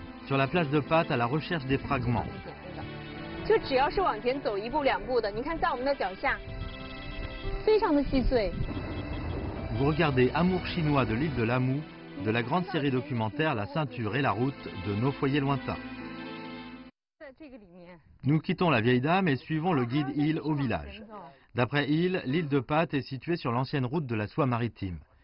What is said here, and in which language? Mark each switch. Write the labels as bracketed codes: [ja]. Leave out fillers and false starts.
[fr] Sur la plage de Pat, à la recherche des fragments. [zh] 就只要是往前走一步两步的，你看在我们的脚下，非常的细碎。 [fr] Vous regardez Amour chinois de l'île de Lamou, de la grande série documentaire La ceinture et la route de nos foyers lointains. Nous quittons la vieille dame et suivons le guide Il au village. D'après Il, l'île de Pat est située sur l'ancienne route de la soie maritime.